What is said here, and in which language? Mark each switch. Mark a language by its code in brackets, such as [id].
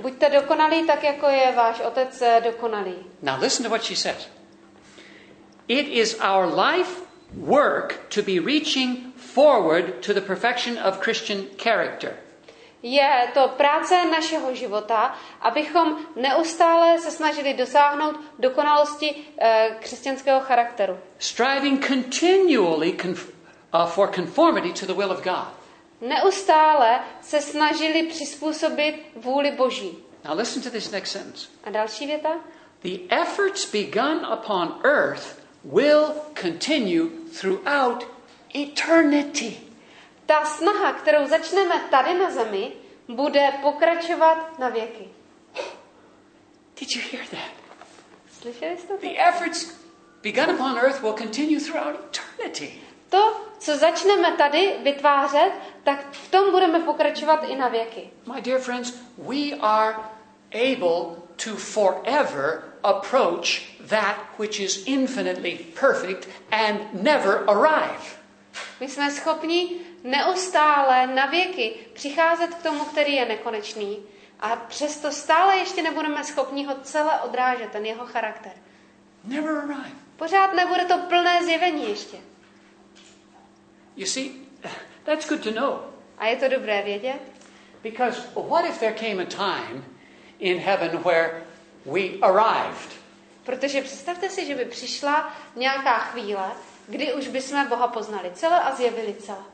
[cs] Buďte dokonalí, tak jako je váš Otec dokonalý. [en] Now listen to what she says. It is our life work to be reaching forward to the perfection of Christian character. [cs] Je to práce našeho života, abychom neustále se snažili dosáhnout dokonalosti křesťanského charakteru. [en] Striving continually for conformity to the will of God. [cs] Neustále se snažili přizpůsobit vůli Boží. [en] Now listen to this next sentence. [cs] A další věta? [en] The efforts begun upon earth will continue throughout eternity. [cs] Ta snaha, kterou začneme tady na zemi, bude pokračovat na věky. [en] Did you hear that? [cs] Slyšeli jste to? [en] The efforts begun upon earth will continue throughout eternity. [cs] To, co začneme tady vytvářet, tak v tom budeme pokračovat i na věky. [en] My dear friends, we are able to forever approach that which is infinitely perfect and never arrive. [cs] My jsme schopni neustále na věky přicházet k tomu, který je nekonečný, a přesto stále ještě nebudeme schopni ho celé odrážet, ten jeho charakter. [en] Never arrive. [cs] Pořád nebude to plné zjevení ještě. [en] You see, that's good to know. [cs] A je to dobré vědět. [en] Because what if there came a time in heaven where we arrived. [cs] Protože představte si, že by přišla nějaká chvíle, kdy už bychom Boha poznali celé a zjevili celé.